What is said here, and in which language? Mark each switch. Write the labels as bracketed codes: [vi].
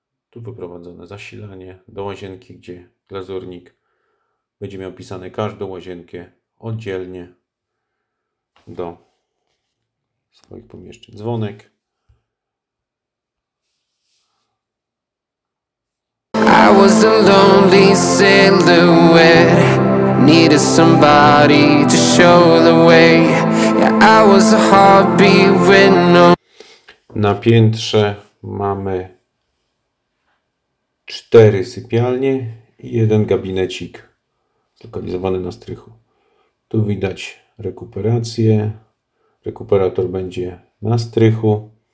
[pl] Tu wyprowadzone zasilanie do łazienki, gdzie glazurnik będzie miał pisane każdą łazienkę oddzielnie do swoich pomieszczeń. Dzwonek. [en] I was a lonely silhouette, needed somebody to show the way. Yeah, I was a heartbeat when no. [pl] Na piętrze mamy 4 sypialnie i jeden gabinecik zlokalizowany na strychu. Tu widać rekuperację. Rekuperator będzie na strychu.